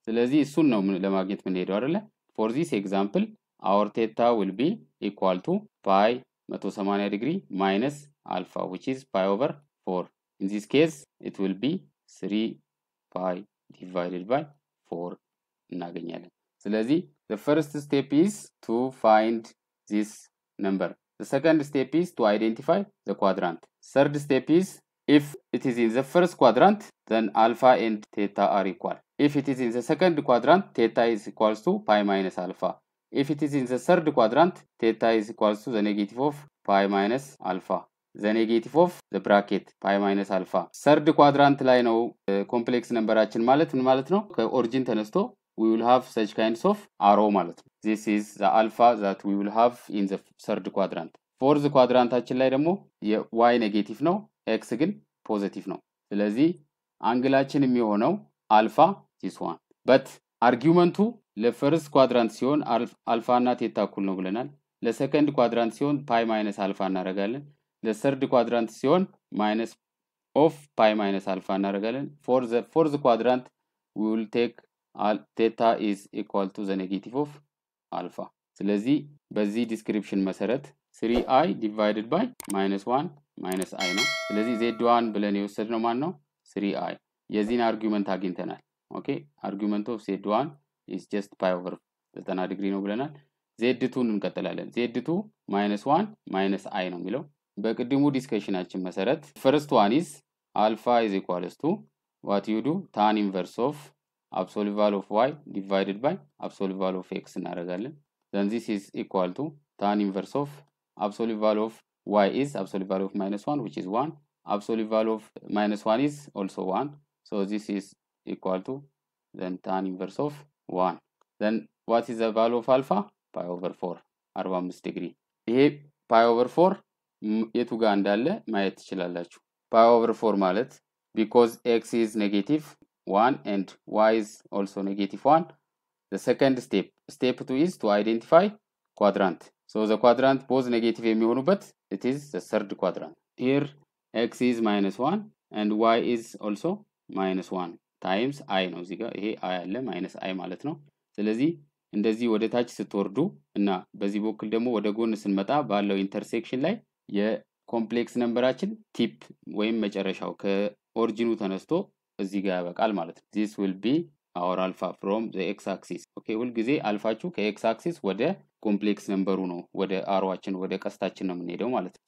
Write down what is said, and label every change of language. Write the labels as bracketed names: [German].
[Amharic] ስለዚህ እሱን ነው ለማግኘት ምን ሄደው አይደለ? [English] For this example our theta will be equal to pi 180 degree minus alpha which is pi over 4. In this case it will be 3 pi divided by 4 [Amharic] እናገኛለን. [English] ስለዚህ the first step is to find this number. The second step is to identify the quadrant. Third step is if it is in the first quadrant then alpha and theta are equal. If it is in the second quadrant theta is equal to pi minus alpha. If it is in the third quadrant theta is equal to the negative of pi minus alpha. The negative of the bracket pi minus alpha. [Amharic] Third quadrant ላይ ነው ኮምፕሌክስ ነምበራችን ማለት ምን ማለት ነው? ከኦሪጂን ተነስቶ [English] we will have such kinds of arrow [Amharic] ማለት ነው. [English] This is the alpha that we will have in the third quadrant. [Amharic] Fourth quadrantችን ላይ ደግሞ የy negative ነው x ግን positive ነው. ስለዚህ አንግላችን የሚሆነው አልፋ [English] this one. [Amharic] But አርጊመንቱ ለፈርስት ኳድራንት ሲሆን አልፋ እና ቴታ እኩል ነው ብለናል. ለሰከንድ ኳድራንት ሲሆን ፓይ ማይነስ አልፋ እናረጋለን. ለሰርድ ኳድራንት ሲሆን ማይነስ ኦፍ ፓይ ማይነስ አልፋ እናረጋለን. [English] ፎርዝ ኳድራንት ዊ ዊል ቴክ ቴታ ኢዝ ኢኳል ቱ ዘ ኔጌቲቭ ኦፍ አልፋ. [Amharic] ስለዚህ በዚህ ዲስክሪፕሽን መሰረት 3i ዲቫይድድ ባይ ማይነስ 1 ማይነስ i ነው. ስለዚህ ዜድ 1 ብለን የወሰድነው ማን ነው? 3i. የዚህን አርጊመንት አግኝተናል. ኦኬ አርጊመንት ኦፍ ዜድ 1 [English] is just pi over 90 degree [Amharic] ነው ብለናል. z2ን እንቀጥላለን. [English] z2 minus 1 minus i [Amharic] ነው የሚለው. በቅድሙ ዲስከሽናችን መሰረት [English] first one is alpha is equals to what you do tan inverse of absolute value of y divided by absolute value of x [Amharic] እናደርጋለን. [English] then this is equal to tan inverse of absolute value of y is absolute value of minus 1 which is 1. absolute value of minus 1 is also 1. so this is equal to then tan inverse of 1. then what is the value of alpha? pi over 4 45 degree. [Amharic] ይሄ pi over 4 የቱ ጋር እንዳለ ማየት ትችላላችሁ. [English] pi over 4 [Amharic] ማለት [English] because x is negative 1 and y is also negative 1 the second step 2 is to identify quadrant. so the quadrant both negative [Amharic] የሚሆኑበት [English] it is the third quadrant. here x is minus 1 and y is also minus 1 times i ነው. [Amharic] እዚህ ጋር ይሄ i አለ minus i ማለት ነው. ስለዚህ እንደዚህ ወደ ታች ስትወርዱ እና በዚህ በኩል ደግሞ ወደ ጎን ስንመጣ ባለው ኢንተርሴክሽን ላይ የኮምፕሌክስ ነምበራችን ቲፕ ወይም መጨረሻው ከኦሪጂኑ ተነስቶ እዚህ ጋር ያበቃል ማለት ነው. [English] this will be our alpha from the x axis. [Amharic] ኦኬ ሁልጊዜ አልፋችሁ ከx axis ወደ ኮምፕሌክስ ነምበሩ ነው ወደ አሮዋችን ወደ ቀስታችን ነው የምንሄደው ማለት ነው.